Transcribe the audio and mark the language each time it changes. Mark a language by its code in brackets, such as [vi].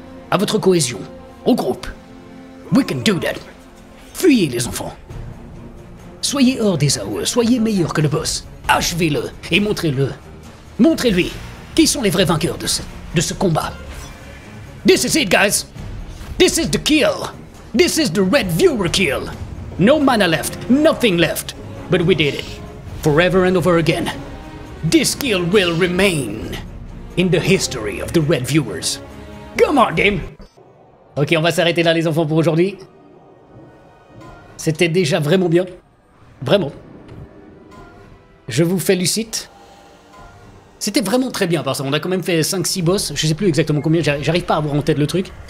[fr] À votre cohésion. Au groupe. [en] We can do that. [fr] Fuyez, les enfants. Soyez hors des AOE. Soyez meilleurs que le boss. Achevez-le et montrez-le. Montrez-lui qui sont les vrais vainqueurs de ce combat. [en] This is it, guys. This is the kill. This is the red viewer kill. No mana left, nothing left. But we did it. Forever and over again. This kill will remain in the history of the red viewers. Come on, game. [fr] Ok, on va s'arrêter là, les enfants, pour aujourd'hui. C'était déjà vraiment bien. Vraiment. Je vous félicite. C'était vraiment très bien, parce qu'on a quand même fait 5-6 boss, je sais plus exactement combien, j'arrive pas à avoir en tête le truc.